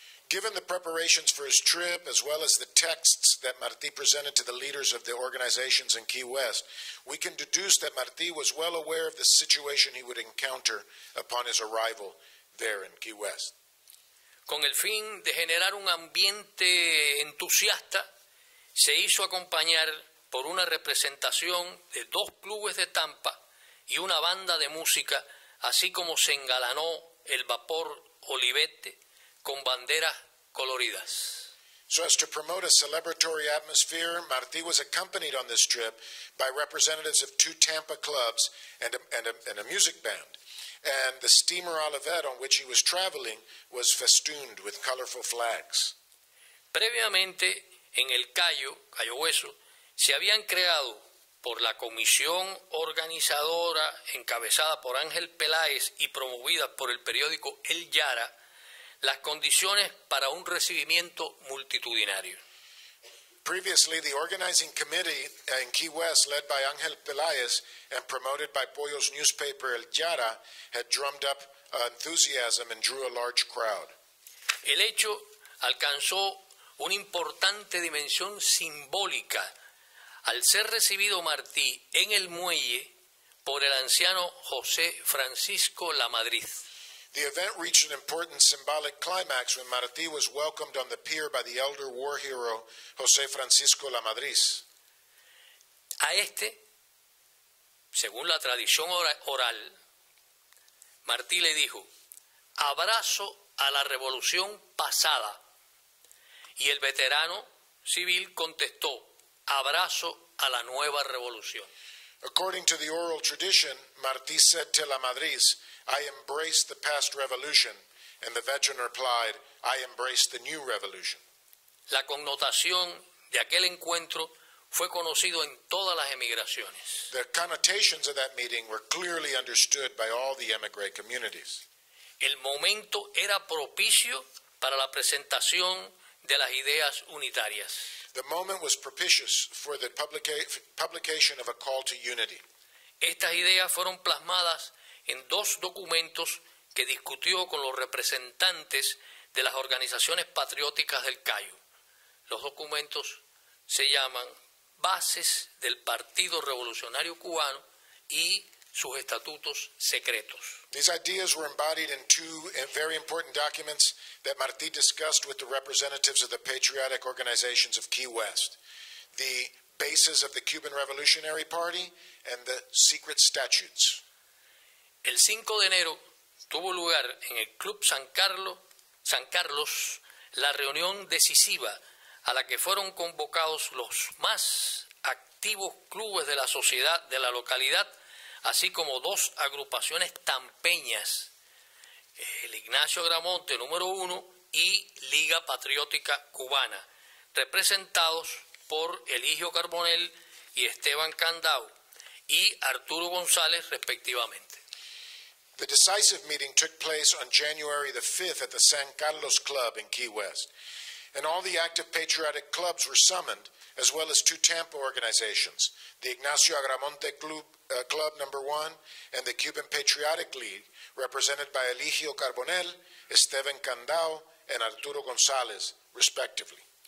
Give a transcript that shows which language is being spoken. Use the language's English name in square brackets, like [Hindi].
[English] Given the preparations for his trip, as well as the texts that Martí presented to the leaders of the organizations in Key West, we can deduce that Martí was well aware of the situation he would encounter upon his arrival there in Key West. [Spanish] Con el fin de generar un ambiente entusiasta, se hizo acompañar por una representación de dos clubes de Tampa y una banda de música, así como se engalanó el vapor Olivete con banderas coloridas. [English] So as to promote a celebratory atmosphere, Martí was accompanied on this trip by representatives of two Tampa clubs and a music band. And the steamer Olivet on which he was traveling was festooned with colorful flags. [Spanish] Previamente, en el Cayo Hueso, se habían creado por la comisión organizadora encabezada por Ángel Peláez y promovida por el periódico El Yara, las condiciones para un recibimiento multitudinario. [English] Previously, the organizing committee in Key West, led by Ángel Peláez and promoted by Pollo's newspaper El Yara, had drummed up enthusiasm and drew a large crowd. [Spanish] El hecho alcanzó una importante dimensión simbólica al ser recibido Martí en el muelle por el anciano José Francisco Lamadrid. [English] The event reached an important symbolic climax when Martí was welcomed on the pier by the elder war hero José Francisco Lamadrid. [Spanish] A este, según la tradición oral, Martí le dijo: "Abrazo a la revolución pasada." Y el veterano civil contestó: "Abrazo a la nueva revolución." [English] According to the oral tradition, Martí said to Lamadrid, "I embrace the past revolution," and the veteran replied, "I embrace the new revolution." [Spanish] La connotación de aquel encuentro fue conocido en todas las emigraciones. [English] The connotations of that meeting were clearly understood by all the emigre communities. [Spanish] El momento era propicio para la presentación de las ideas unitarias. [English] The moment was propitious for the publication of a call to unity. [Spanish] Estas ideas fueron plasmadas en dos documentos que discutió con los representantes de las organizaciones patrióticas del Cayo. Los documentos se llaman Bases del Partido Revolucionario Cubano y sus estatutos secretos. [English] These ideas were embodied in two very important documents that Martí discussed with the representatives of the patriotic organizations of Key West: the Bases of the Cuban Revolutionary Party and the Secret Statutes. [Spanish] El 5 de enero tuvo lugar en el Club San Carlos la reunión decisiva a la que fueron convocados los más activos clubes de la sociedad de la localidad, así como dos agrupaciones tampeñas, el Ignacio Gramonte número 1 y Liga Patriótica Cubana, representados por Eligio Carbonell y Esteban Candau y Arturo González respectivamente. [English] The decisive meeting took place on January the 5th at the San Carlos Club in Key West. and all the active patriotic clubs were summoned, as well as two Tampa organizations, the Ignacio Agramonte Club number one, and the Cuban Patriotic League, represented by Eligio Carbonell, Esteban Candao, and Arturo González, respectively.